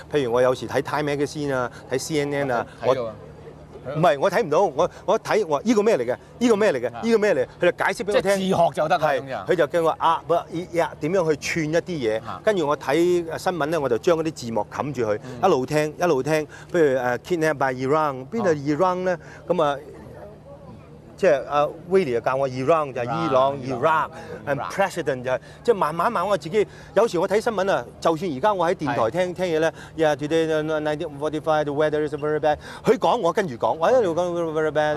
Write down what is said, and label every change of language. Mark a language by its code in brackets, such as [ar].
[yue] 譬如我有時睇 Time Magazine 啊，睇 CNN 啊，我。唔係，我睇唔到，我睇我依個咩嚟嘅？依個咩嚟嘅？依個咩嚟？佢就解釋俾我聽。即係自學就得啦。係，佢就叫我啊，不呀，點樣去串一啲嘢？跟住我睇新聞咧，我就將嗰啲字幕冚住佢，一路聽一路聽。譬如 [en] kidnapped by Iran， [yue] 邊度 Iran 咧？咁啊，即係Willie 教我 Iran 就係伊朗 Iraq， 誒 President 就係即係慢慢我自己。有時我睇新聞啊，就算而家我喺電台聽嘢咧 ， [en] Yeah today 1945 the weather is very bad。 [yue] 佢講我跟住講，我一路講 [en] very bad。